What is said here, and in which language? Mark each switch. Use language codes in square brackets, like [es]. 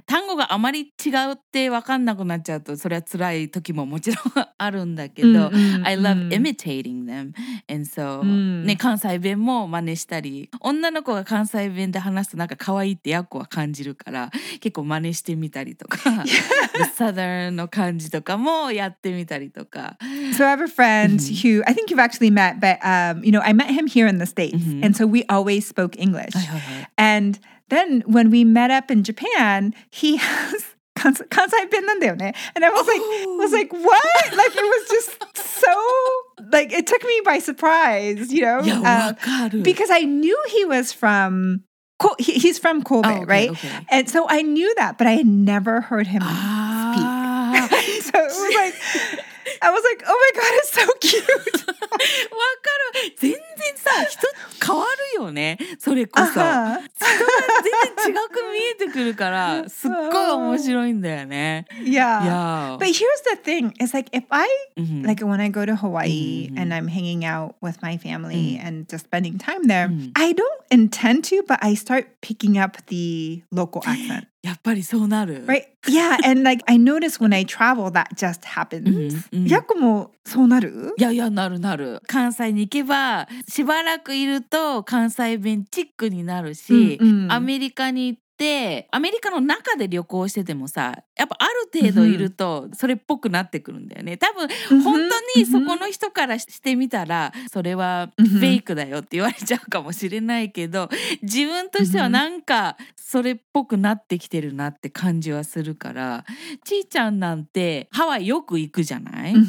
[ja] 単語があまり違うって分かんなくなっちゃうとそれは辛い時ももちろんあるんだけど、 [en] I love imitating them. And so、 [ja] ね、関西弁も真似したり、女の子が関西弁で話すとなんか可愛いってヤコは感じるから、結構真似してみたりとかSouthern の感じとかもやってみたりとか。 [en] So I have a friend who I think you've actually met, but you know, I met him here in the States, and so we always spoke English. And then when we met up in Japan, he has [ja] 関西弁なんだよね。 [en] And I was like, what? Like it was just so like it took me by surprise, you know? [ja] いや、わかる。 [en] Because I knew he was from. He's from Kobe, oh, okay, right? Okay. And so I knew that, but I had never heard him speak. So it was like, I was like, oh my God, it's so cute. [ja] わかる。全然さ、人変わるよね。それこそ。人は全然違く見えてくるから、すっごい面白いんだよね。 [en] Yeah. Yeah. But here's the thing. It's like, if I, like when I go to Hawaii and I'm hanging out with my family and just spending time there, I don't intend to, but I start picking up the local accent. [ja] やっぱりそうなる。 [en] Right? Yeah, and like, I notice when I travel, that just happens. [ja] ヤコもそうなる？いやいや、なるなる。関西に行けば、しばらくいると関西弁チックになるし、アメリカに行って、アメリカの中で旅行しててもさ、やっぱある程度いるとそれっぽくなってくるんだよね。多分、本当にそこの人からしてみたら、それはフェイクだよって言われちゃうかもしれないけど、自分としてはなんかそれっぽくなってきてるなって感じはするから、ちーちゃんなんてハワイよく行くじゃない？